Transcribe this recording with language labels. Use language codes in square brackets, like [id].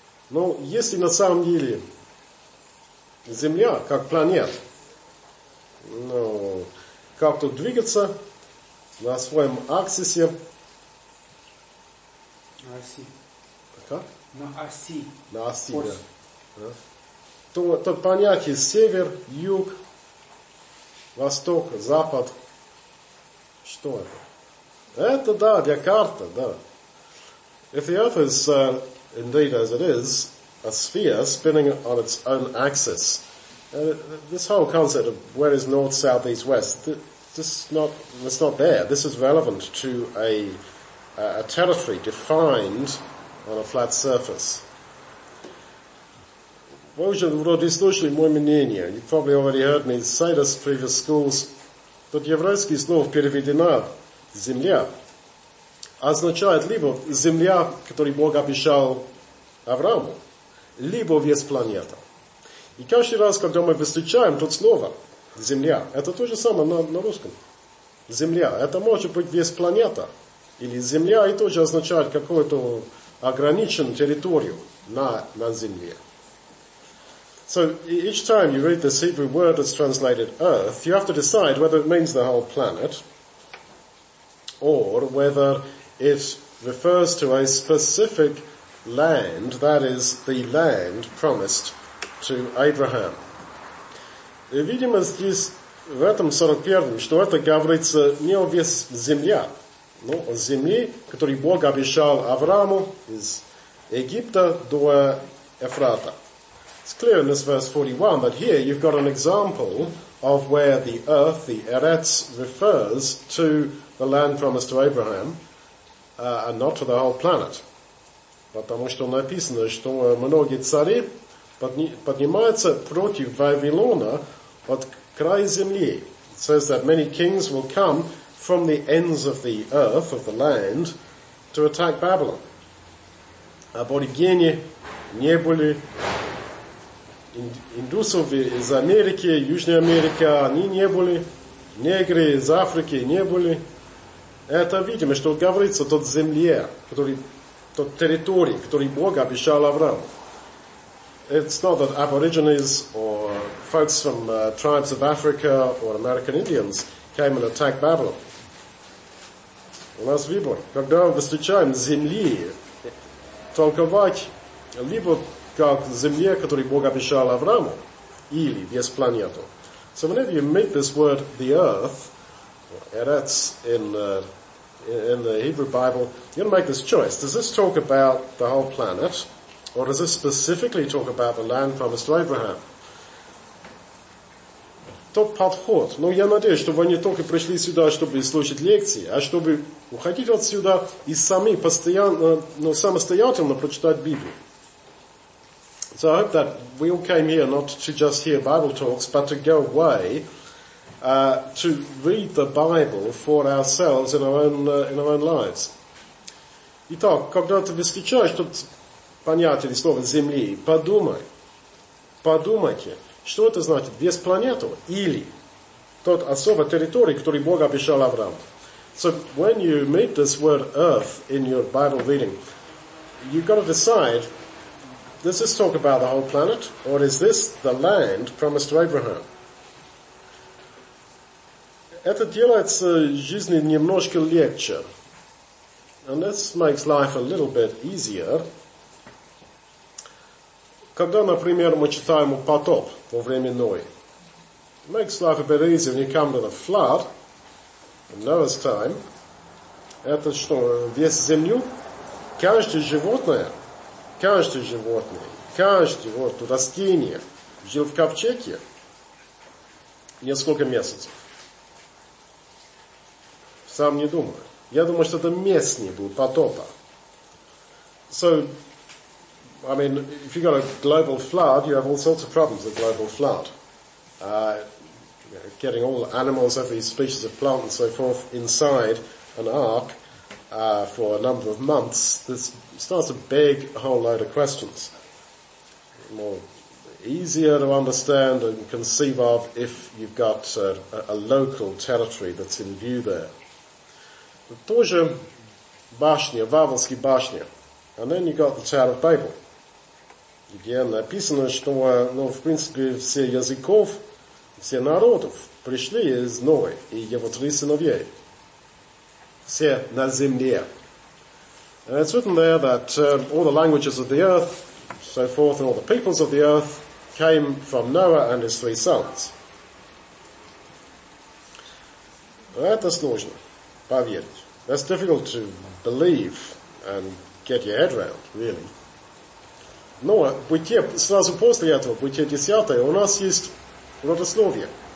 [ru] Но если на самом деле Земля, как планет, ну, как-то двигаться на своем аксисе... На оси. Как? На оси. На оси, да. То понятие север, юг, восток, запад... Что это? Это да, для карты, да. [en] If the earth is indeed as it is, a sphere spinning on its own axis, this whole concept of where is north, south, east, west, it's not there. This is relevant to a territory defined on a flat surface. [ru] Вы уже вроде слышали мое мнение. [en] You probably already heard me say this in previous schools. [ru] Тут еврейское слово переведено «земля» означает либо «земля», которую Бог обещал Аврааму, либо весь планета. И каждый раз, когда мы встречаем тут слово «земля», это то же самое на русском. «Земля» — это может быть весь планета. Или «земля» и тоже означает какую-то ограниченную территорию на Земле. [en] So each time you read this Hebrew word that's translated earth, you have to decide whether it means the whole planet or whether it refers to a specific land, that is, the land promised to Abraham. [ru] Видимо, здесь, в этом 41-м, что это говорится не о весь земля, но о земле, которую Бог обещал Аврааму из Египта до Ефрата. [en] It's clear in this verse 41 that here you've got an example of where the earth, the Eretz, refers to the land promised to Abraham, and not to the whole planet. [ru] Потому что написано, что многие цари поднимаются против Вавилона от края земли. [en] It says that many kings will come from the ends of the earth, of the land, to attack Babylon. [ru] Аборигены не были... Индусов из Америки, Южной Америки, они не были. Негры из Африки не были. Это, видимо, что говорится о той земле, той территории, которую Бог обещал Аврааму. [en] It's not that aborigines or folks from tribes of Africa or American Indians came and attacked Babylon. [ru] У нас выбор. Когда мы встречаем земли, толковать либо как земле, которую Бог обещал Аврааму, или весь планету. [en] So whenever you meet this word, the earth, or Eretz, in the Hebrew Bible, you're going to make this choice. Does this talk about the whole planet, or does this specifically talk about the land promised to Abraham? [ru] То подход. Но я надеюсь, что вы не только пришли сюда, чтобы слушать лекции, а чтобы уходить отсюда и сами постоянно, но самостоятельно прочитать Библию. [en] So I hope that we all came here not to just hear Bible talks, but to go away to read the Bible for ourselves in our own lives. [ru] Итак, когда ты встречаешь тут понятие слова «земли», подумай, подумайте, что это значит «весь планету» или тот особый территорий, который Бог обещал Аврааму. [en] So when you meet this word «earth» in your Bible reading, you've got to decide... Does this talk about the whole planet, or is this the land promised to Abraham? [ru] Это делается жизни немножко легче. [en] And this makes life a little bit easier. [ru] Когда, например, мы читаем о потоп во время Ноя. [en] makes life a bit easier when you come to the flood in Noah's time. [ru] Это что, весь землю? Каждое животное, каждое вот растение жил в ковчеге несколько месяцев. Сам не думаю. Я думаю, что это местнее было потопа. [en] So, I mean, if you've got a global flood, you have all sorts of problems with global flood. Getting all the animals, every species of plant and so forth inside an ark for a number of months, this starts a big whole load of questions. More easier to understand and conceive of if you've got a local territory that's in view there. [ru] Тоже башня, Вавилонские башни. [en] And then you got the Tower of Babel. [ru] Где написано, что, ну, в принципе, все языков, все народов пришли из Ноя и его три сыновей. Все на земле. [en] And it's written there that all the languages of the earth, so forth, and all the peoples of the earth came from Noah and his three sons. [ru] Это сложно поверить. [en] That's difficult to believe and get your head around, really. [ru] Но в Бытие, сразу после этого, в Бытие 10, у нас есть родословие.